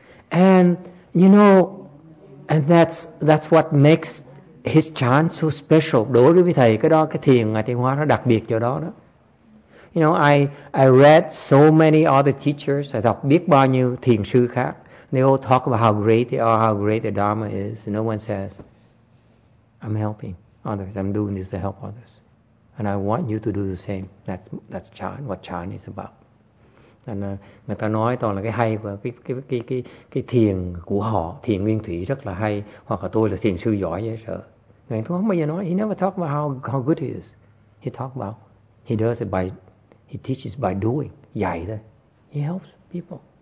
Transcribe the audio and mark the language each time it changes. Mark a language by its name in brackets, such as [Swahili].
[English] And you know, and that's what makes his chant so special. [Vietnamese] Đối với thầy, cái đó cái thiền Ngài Tiên Hóa nó đặc biệt chỗ đó đó. [English] You know, I read so many other teachers. [Vietnamese] I đọc biết bao nhiêu thiền sư khác. [English] They all talk about how great they are, how great the Dharma is. No one says, I'm helping others. I'm doing this to help others. And I want you to do the same. That's chan, what chan is about. [Vietnamese] And người ta nói toàn là cái hay và cái thiền của họ, thiền nguyên thủy rất là hay. Hoặc là tôi là thiền sư giỏi vậy sợ. Ngài Tiên Hóa không bao giờ nói. [English] He never talk about how good he is. He talk about, he does it by, he teaches by doing. [Vietnamese] Dạy thôi. [English] He helps people.